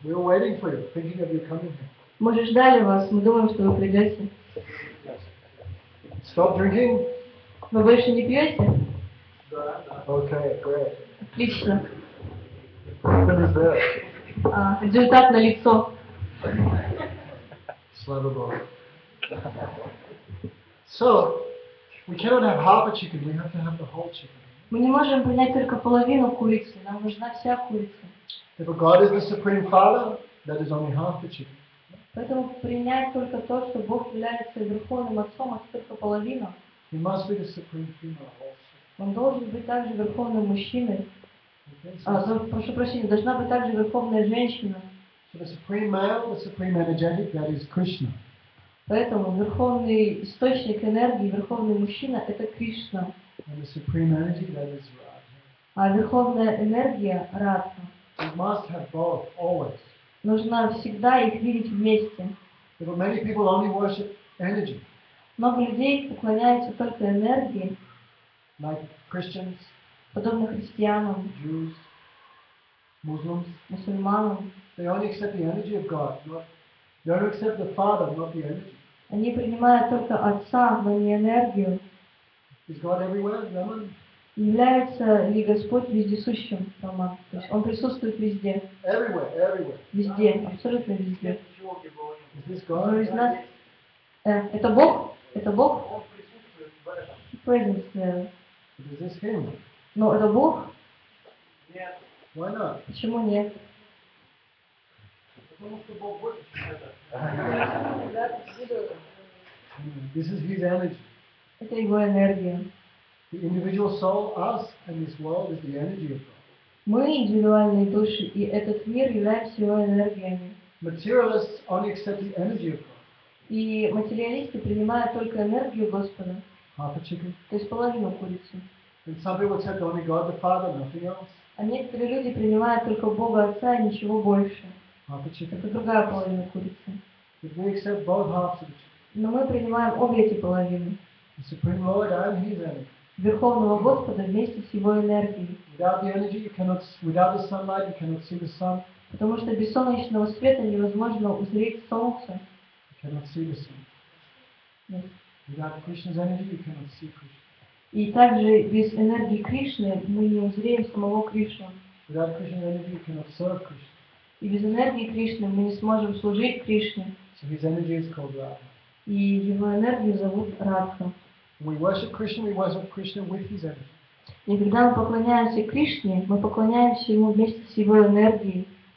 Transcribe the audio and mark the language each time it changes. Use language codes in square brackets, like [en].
[en] We were waiting for you, thinking of you coming here. [ru] Мы же ждали вас, мы думаем, что вы придете. [en] Stop drinking? [ru] Вы больше не пьете? [en] Okay, great. [ru] Отлично. [en] What is that? [ru] Результат налицо. Слава Богу. [en] So, we cannot have half a chicken, we have to have the whole chicken. [ru] Мы не можем принять только половину курицы, нам нужна вся курица. [en] If God is the Supreme Father, that is only half the chicken. [ru] Поэтому принять только то, что Бог является Верховным Отцом, это только половина. [en] He must be the Supreme Female also. [ru] Он должен быть также Верховным Мужчиной. Прошу прощения, должна быть также Верховная Женщина. [en] So the Supreme Male, the Supreme Energetic, that is Krishna. [ru] Поэтому Верховный Источник Энергии, Верховный Мужчина, это Кришна. [en] And the Supreme Energy, that is Radha. [ru] А Верховная Энергия, Радха. [en] You must have both, always. [ru] Нужно всегда их видеть вместе. [en] But many people only worship energy. [ru] Много людей поклоняются только энергии. [en] Like Christians. [ru] Подобно христианам. [en] Jews. Muslims. [ru] Мусульманам. [en] They only accept the energy of God, not they only accept the Father, not the energy. [ru] Они принимают только Отца, но не энергию. [en] Is God everywhere, Brahman? [ru] Является ли Господь вездесущим, Брахман? То есть Он присутствует везде. [en] Everywhere, everywhere. [ru] Везде, абсолютно везде. [en] Is this God? [ru] Кто из нас? Это Бог? Это Бог? Он присутствует в этом. [en] Is this Him? [ru] Но это Бог? Нет. [en] Why not? [ru] Почему нет? [en] This is His energy. [ru] Это Его энергия. [en] The individual soul, us, and this world is the energy of God. [ru] Мы индивидуальные души, и этот мир является Его энергиями. [en] Materialists only accept the energy of God. [ru] И материалисты принимают только энергию Господа. [en] Half a chicken. [ru] То есть половину курицы. [en] And some people accept only God the Father, nothing else. [ru] А некоторые люди принимают только Бога Отца и ничего больше. [en] Half a chicken. [ru] Это другая половина курицы. [en] But we accept both halves of the chicken. [ru] Но мы принимаем обе эти половины. [en] The Supreme Lord and His energy. [ru] Верховного Господа вместе с Его энергией. [en] Without the energy, you cannot, without the sunlight, you cannot see the sun. [ru] Потому что без солнечного света невозможно узреть солнце. [en] You cannot see the sun. Yes. Without Krishna's energy, you cannot see Krishna. [ru] И также без энергии Кришны мы не узреем самого Кришну. [en] Without Krishna's energy, you cannot serve Krishna. [ru] И без энергии Кришны мы не сможем служить Кришне. [en] So His energy is called Radha. [ru] И Его энергию зовут Радха. [en] We worship Krishna, we worship Krishna with His energy. [ru] И когда мы поклоняемся Кришне, мы поклоняемся Ему вместе с Его энергией.